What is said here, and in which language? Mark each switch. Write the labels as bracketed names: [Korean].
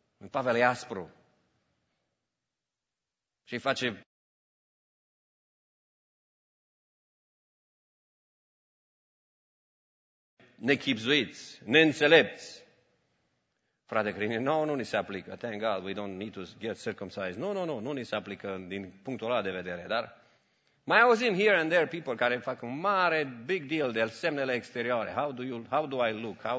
[Romanian] Pavel e aspru. Și face... nechipzuiți, neînțelepți. Frate Crini, nu ni se aplică. [English] Thank God, we don't need to get circumcised. [Romanian] Nu ni se aplică din punctul ăla de vedere. Dar mai auzim [English] here and there people [Romanian] care fac un mare [English] big deal [Romanian] de semnele exterioare. [English] How do I look?